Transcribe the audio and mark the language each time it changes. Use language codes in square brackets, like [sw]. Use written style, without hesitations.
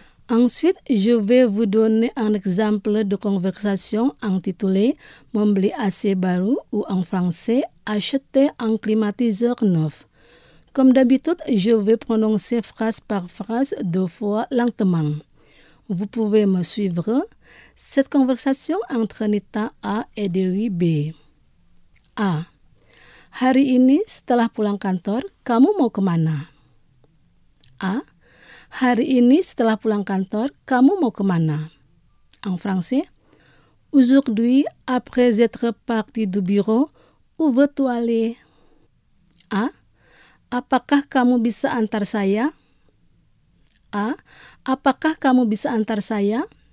[fr] Ensuite, je vais vous donner un exemple de conversation intitulé « [id] Membeli AC baru [fr] » ou en français « Acheter un climatiseur neuf ». Comme d'habitude, je vais prononcer phrase par phrase deux fois lentement. Vous pouvez me suivre. Cette conversation entre Nita A et Dewi B. A. [id] Hari ini setelah pulang kantor, kamu mau kemana? A. Hari ini setelah pulang kantor, kamu mau kemana? [fr] En français. Aujourd'hui, après être parti du bureau, où veux-tu aller? A. [id] Apakah kamu bisa antar saya? A. Apakah kamu bisa antar saya?